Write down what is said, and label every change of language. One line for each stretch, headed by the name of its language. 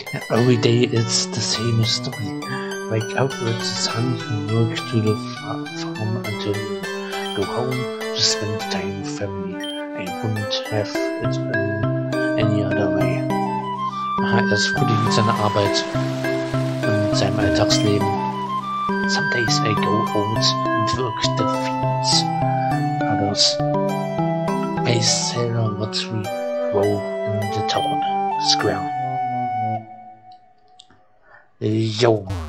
English: Every day it's the same story. Wake up with the sun and work to the farm until you go home to spend time with family. I wouldn't have it in any other way.
German: Aha, er ist froh mit seiner Arbeit und seinem Alltagsleben.
English: Some days I go out and work the fields. Others, I sell what we grow in the town square. Yo.